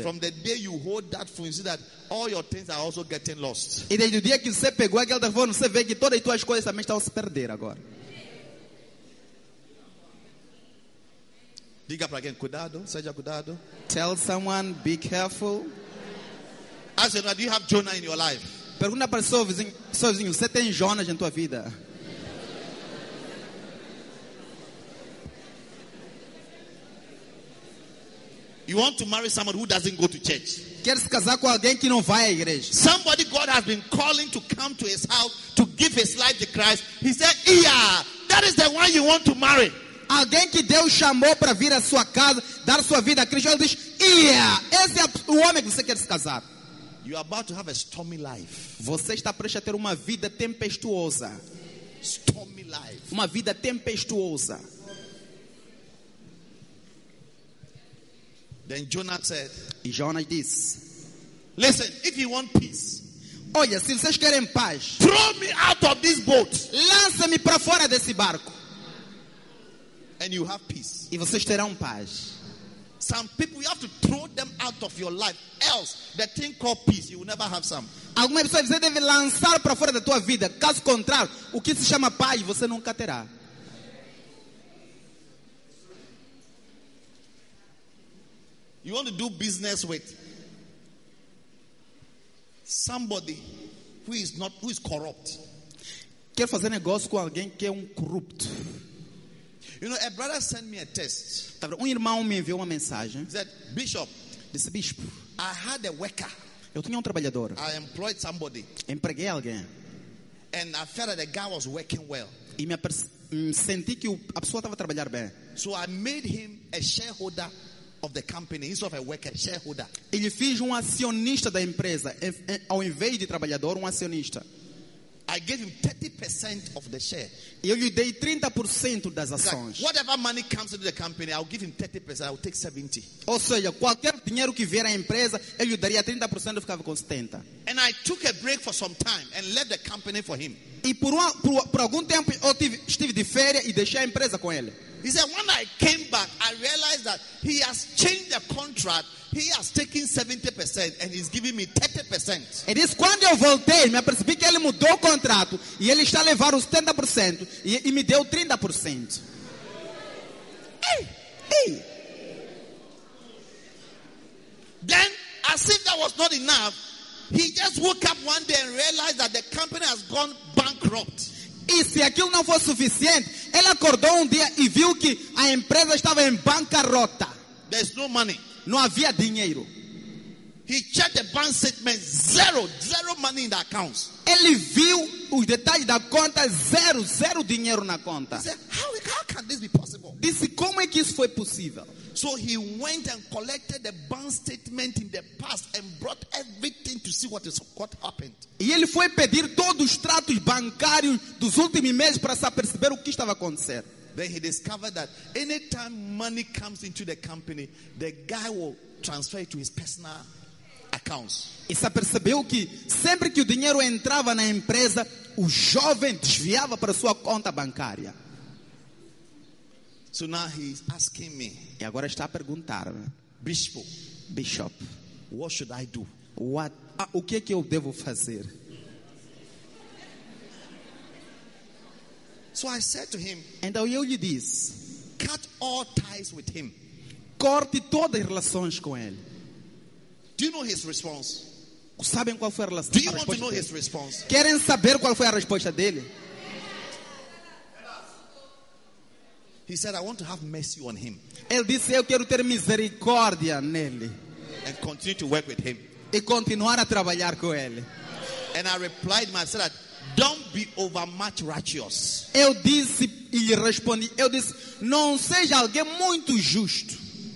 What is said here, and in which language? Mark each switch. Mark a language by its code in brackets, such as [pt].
[en] And from the day you hold that phone, you see that all your things are also getting lost. [pt] E desde o dia que você pegou aquele telefone, você vê que todas as tuas coisas também estão a se perder agora. Diga para alguém, cuidado, seja cuidado. [en] Tell someone, be careful. As you know, do you have Jonah in your life? [pt] Pergunta para o seu vizinho, você tem Jonas em tua vida? [en] You want to marry someone who doesn't go to church? [pt] Quer se casar com alguém que não vai à igreja? [en] Somebody God has been calling to come to his house to give his life to Christ. He said, yeah, that is the one you want to marry. [pt] Alguém que Deus chamou para vir à sua casa, dar sua vida a Cristo, ele diz, yeah, esse é o homem que você quer se casar. [en] You are about to have a stormy life. [pt] Você está prestes a ter uma vida tempestuosa. [en] Stormy life. [pt] Uma vida tempestuosa. [en] Then Jonah said, [pt] e Jonas diz, [en] listen, if you want peace, [pt] olha, se vocês querem paz, [en] throw me out of this boat. [pt] Lança-me para fora desse barco. [en] And you have peace. [pt] E vocês terão paz. [en] Some people, you have to throw them out of your life. Else, the thing called peace, you will never have some. [pt] Algumas pessoas você deve lançar para fora da tua vida. Caso contrário, o que se chama paz, você nunca terá. [en] You want to do business with somebody who is corrupt. [pt] Quer fazer negócio com alguém que é corrupto. [en] You know, a brother sent me a text. [pt] Irmão me enviou uma mensagem. [en] He said, Bishop. [pt] Disse, bispo. [en] I had a worker. [pt] Eu tinha trabalhador. [en] I employed somebody. [pt] Empreguei alguém. [en] And I felt that the guy was working well. [pt] E senti que a pessoa estava a trabalhar bem. [en] So I made him a shareholder of the company instead of a worker, shareholder. [pt] Ele fez acionista da empresa, ao invés de trabalhador, acionista. [en] I I gave him 30% of the share. [pt] Eu lhe dei 30% das ações. [en] Like, whatever money comes into the company, I'll give him 30%. I'll take 70. [pt] Ou seja, qualquer dinheiro que vier à empresa, eu lhe daria 30% e ficava com 70. [en] And I took a break for some time and left the company for him. [pt] E por algum tempo eu estive de férias e deixei a empresa com ele. [en] He said, when I came back, I realized that he has changed the contract. He has taken 70% and he's giving me 30%. [pt] Ele disse, quando eu voltei, me apercebi que ele mudou o contrato e ele está a levar os 70% e me deu 30%. Ei, ei. [en] Then, as if that was not enough, he just woke up one day and realized that the company has gone bankrupt. [pt] E se aquilo não fosse suficiente, ele acordou um dia e viu que a empresa estava em bancarrota. [en] There's no money. [pt] Não havia dinheiro. [en] He checked the bank statement, zero money in the accounts. [pt] Ele viu os detalhes da conta, zero dinheiro na conta. [en] He said, how can this be possible? [pt] Disse, como é que isso foi possível? [en] So he went and collected the bank statement in the past and brought everything to see what happened. [pt] E ele foi pedir todos os extratos bancários dos últimos meses para se perceber o que estava acontecendo. [en] Then he discovered that anytime money comes into the company, the guy will transfer it to his personal accounts. [pt] E se percebeu que sempre que o dinheiro entrava na empresa, o jovem desviava para sua conta bancária. [en] So now he's asking me. [pt] E agora está a perguntar, [en] Bishop, what should I do? [pt] O que é que eu devo fazer? [en] So I said to him, [pt] então eu lhe disse, [en] cut all ties with him. [pt] Corte todas as relações com ele. [en] Do you know his response? [pt] Sabem qual foi a resposta? [en] Do you want to know his response? [pt] Querem saber qual foi a resposta dele? [en] He said, I want to have mercy on him. [pt] Ele disse, eu quero ter misericórdia nele. [en] And continue to work with him. [pt] E continuar a trabalhar com ele. [en] And I replied myself that don't be overmuch righteous. [pt] Eu disse e lhe respondi, eu disse, não seja alguém muito justo.